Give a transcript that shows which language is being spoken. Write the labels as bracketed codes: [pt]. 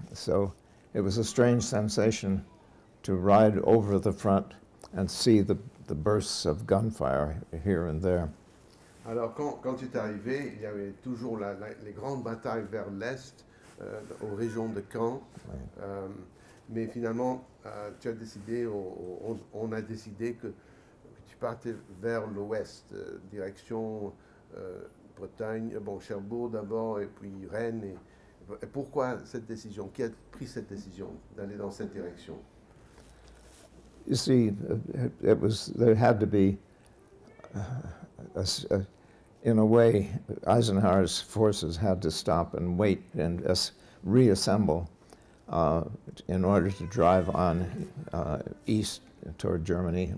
[en] So it was a strange sensation to ride over the front and see the bursts of gunfire here and there. [fr] Alors quand tu es arrivé, il y avait toujours les grandes batailles vers l'est, aux régions de Caen. Right. Mais finalement, tu as décidé, on a décidé que tu partais vers l'ouest, direction Bretagne, bon, Cherbourg d'abord, et puis Rennes. Et pourquoi cette décision? Qui a pris cette décision d'aller dans cette direction? [en] You see, there had to be, in a way, Eisenhower's forces had to stop and wait and reassemble in order to drive on east toward Germany.